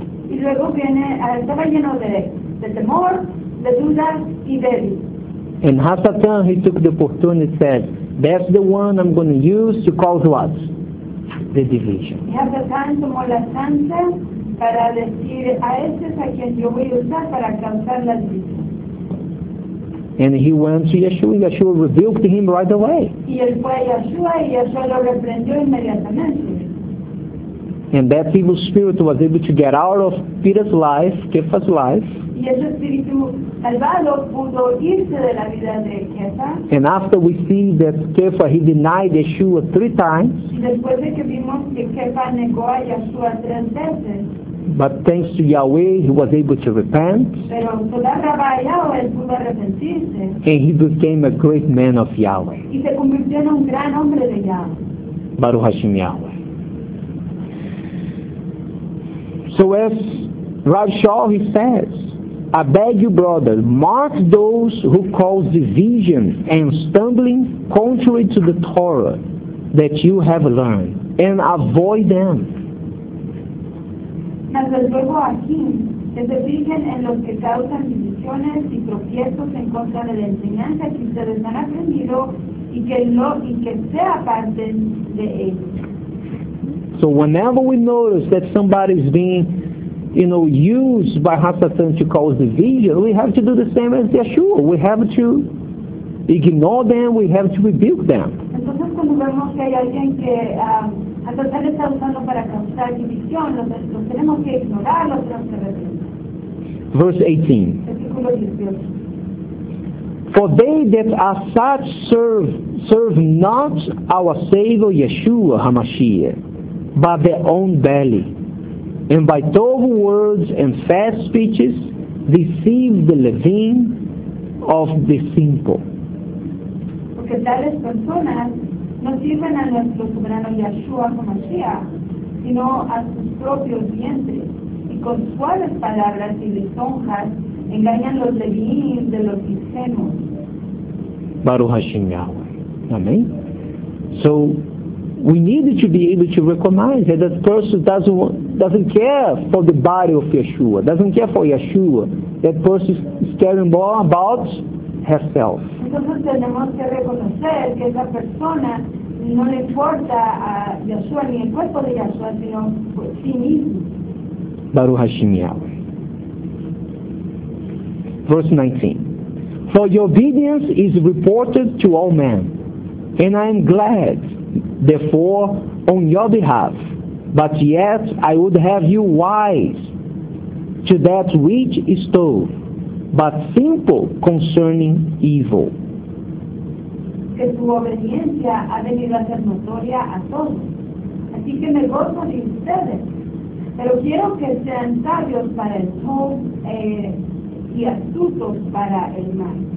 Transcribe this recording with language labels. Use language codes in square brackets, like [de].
[es] Y luego viene, estaba lleno de temor, de dudas y débil. [en] And Hasatan, he took the opportunity and said, that's the one I'm going to use to cause what? The division. [es] Y Hasatan tomó la chance para decir, a este es a quien yo voy a usar para causar la división. [en] And he went to Yeshua, and Yeshua rebuked him right away. [es] Y él fue a Yeshua, y Yeshua lo reprendió inmediatamente. [en] And that evil spirit was able to get out of Peter's life, Kepha's life. [es] Y ese espíritu salvado pudo irse de la vida de Kepha. [en] And after we see that Kepha, he denied Yeshua three times. [es] Y después de que vimos que Kepha negó a Yeshua tres veces. [en] But thanks to Yahweh, he was able to repent. [es] Pero solo Rabá Yahweh él pudo arrepentirse. [en] And he became a great man of Yahweh. [es] Y se convirtió en un gran hombre de Yahweh. [he] Baruch Hashem Yahweh. [en] So as Rav Shaul, he says, I beg you, brothers, mark those who cause division and stumbling contrary to the Torah that you have learned, and avoid them. [es] Mas les ruego a Jim que se fijen en los que causan divisiones y tropiezos en contra de la enseñanza que ustedes han aprendido y que, no, y que se aparten de ellos. [en] So whenever we notice that somebody is being, you know, used by Hasatan to cause division, we have to do the same as Yeshua. We have to ignore them, we have to rebuke them. [es] Entonces cuando vemos que hay alguien que Hasatan está usando para causar división, los tenemos que ignorar, los tenemos que rebuke. [en] Verse 18. For they that are such serve not our Savior Yeshua HaMashiach, by their own belly, and by tall words and fast speeches deceive the levim of the simple. [es] Porque tales personas no sirven a nuestro soberano Yeshua HaMashiach, sino a sus propios vientres, y con suaves palabras y lisonjas engañan los levim de los ingenuos. [he] Baruch Hashem Yahweh. Amen. [en] So we need to be able to recognize that that person doesn't care for the body of Yeshua, doesn't care for Yeshua. That person is caring more about herself. [es] Entonces tenemos que reconocer que esa persona no le importa a Yeshua ni el cuerpo de Yeshua, sino por sí mismo. [he] Baruch Hashem Yahweh. [en] Verse 19. For your obedience is reported to all men, and I am glad, therefore, on your behalf, but yet I would have you wise to that which is told, but simple concerning evil. [es] Que tu obediencia ha venido a ser notoria a todos, así que me gozo de ustedes, pero quiero que sean sabios para el mal y astutos para el mal.